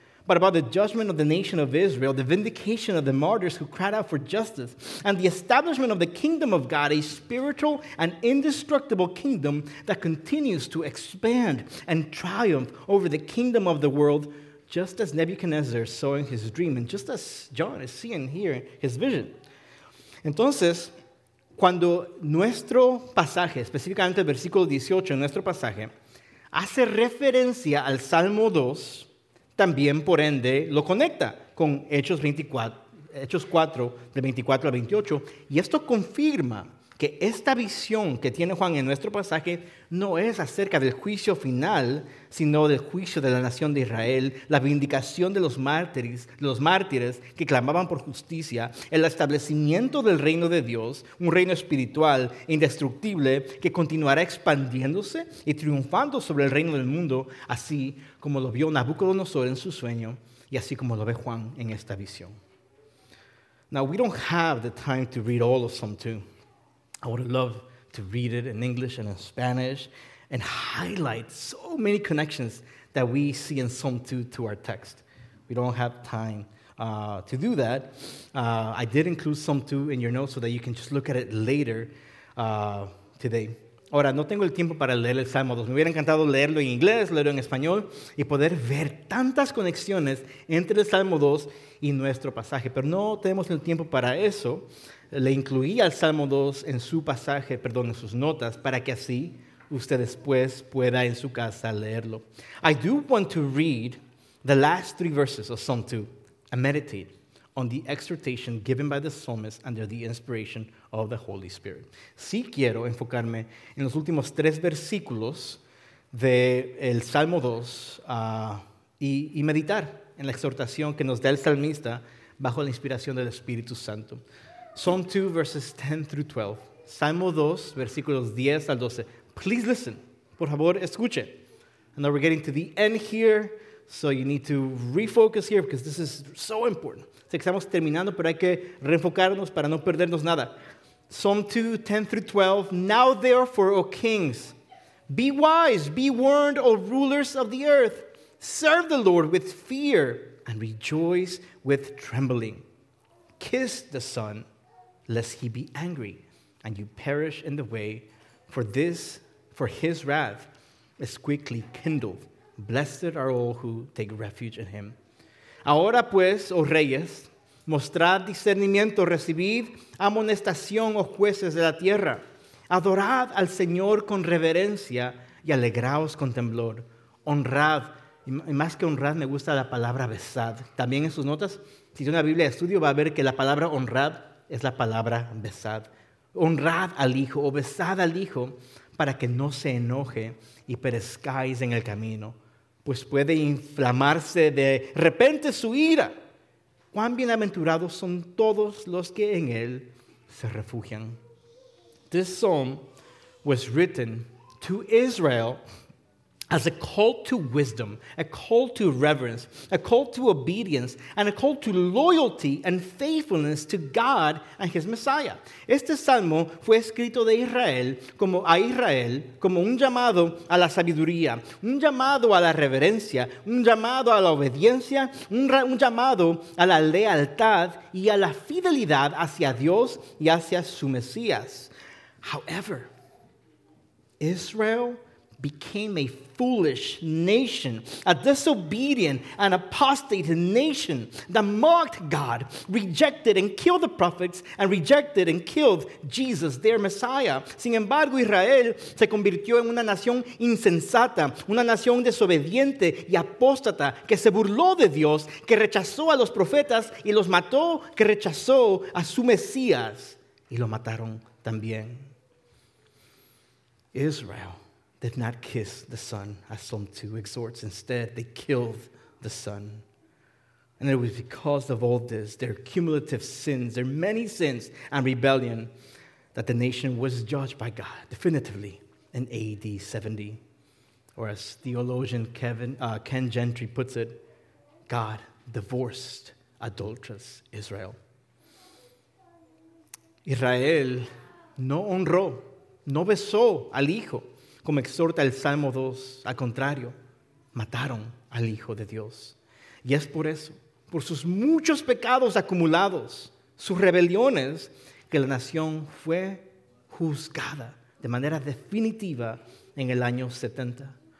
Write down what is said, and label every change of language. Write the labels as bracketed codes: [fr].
[en] but about the judgment of the nation of Israel, the vindication of the martyrs who cried out for justice, and the establishment of the kingdom of God, a spiritual and indestructible kingdom that continues to expand and triumph over the kingdom of the world, just as Nebuchadnezzar saw in his dream, and just as John is seeing here his vision. [es] Entonces, cuando nuestro pasaje, específicamente el versículo 18 en nuestro pasaje, hace referencia al Salmo 2, también por ende lo conecta con Hechos 4, de 24 al 28, y esto confirma que esta visión que tiene Juan en nuestro pasaje no es acerca del juicio final, sino del juicio de la nación de Israel, la vindicación de los mártires que clamaban por justicia, el establecimiento del reino de Dios, un reino espiritual e indestructible que continuará expandiéndose y triunfando sobre el reino del mundo, así como lo vio Nabucodonosor en su sueño y así como lo ve Juan en esta visión. [en] Now, we don't have the time to read all of Psalm 2. I would love to read it in English and in Spanish and highlight so many connections that we see in Psalm 2 to our text. We don't have time to do that. I did include Psalm 2 in your notes so that you can just look at it later today. [es] Ahora, no tengo el tiempo para leer el Salmo 2. Me hubiera encantado leerlo en inglés, leerlo en español y poder ver tantas conexiones entre el Salmo 2 y nuestro pasaje. Pero no tenemos el tiempo para eso. Le incluí al Salmo 2 en su pasaje, perdón, en sus notas, para que así usted después pueda en su casa leerlo. [en] I do want to read the last three verses of Psalm 2 and meditate on the exhortation given by the psalmist under the inspiration of the Holy Spirit. [es] Sí quiero enfocarme en los últimos tres versículos del Salmo 2 y meditar en la exhortación que nos da el salmista bajo la inspiración del Espíritu Santo. [en] Psalm 2, verses 10 through 12. [es] Salmo 2, versículos 10 al 12. [en] Please listen. [es] Por favor, escuche. [en] And now we're getting to the end here, so you need to refocus here because this is so important. [es] Sé que estamos terminando, pero hay que reenfocarnos para no perdernos nada. [en] Psalm 2, 10 through 12. Now therefore, O kings, be wise, be warned, O rulers of the earth. Serve the Lord with fear and rejoice with trembling. Kiss the Son, lest he be angry, and you perish in the way, for his wrath is quickly kindled. Blessed are all who take refuge in him. [es] Ahora pues, oh reyes, mostrad discernimiento, recibid amonestación, oh jueces de la tierra. Adorad al Señor con reverencia y alegraos con temblor. Honrad, y más que honrad, me gusta la palabra besad. También en sus notas, si tiene una Biblia de estudio, va a ver que la palabra honrad es la palabra besad. Honrad al Hijo o besad al Hijo para que no se enoje y perezcáis en el camino, pues puede inflamarse de repente su ira. ¡Cuán bienaventurados son todos los que en él se refugian! [en] This psalm was written to Israel as a call to wisdom, a call to reverence, a call to obedience, and a call to loyalty and faithfulness to God and his Messiah. [es] Este salmo fue escrito de Israel como a Israel, como un llamado a la sabiduría, un llamado a la reverencia, un llamado a la obediencia, un llamado a la lealtad y a la fidelidad hacia Dios y hacia su Mesías. [en] However, Israel became a foolish nation, a disobedient and apostate nation that mocked God, rejected and killed the prophets, and rejected and killed Jesus, their Messiah. [es] Sin embargo, Israel se convirtió en una nación insensata, una nación desobediente y apóstata, que se burló de Dios, que rechazó a los profetas y los mató, que rechazó a su Mesías y lo mataron también. [en] Israel did not kiss the Son, as Psalm 2 exhorts. Instead, they killed the Son. And it was because of all this, their cumulative sins, their many sins and rebellion, that the nation was judged by God definitively in AD 70. Or as theologian Ken Gentry puts it, God divorced adulterous Israel. [es] Israel no honró, no besó al Hijo, como exhorta el Salmo 2, al contrario, mataron al Hijo de Dios. Y es por eso, por sus muchos pecados acumulados, sus rebeliones, que la nación fue juzgada de manera definitiva en el año 70.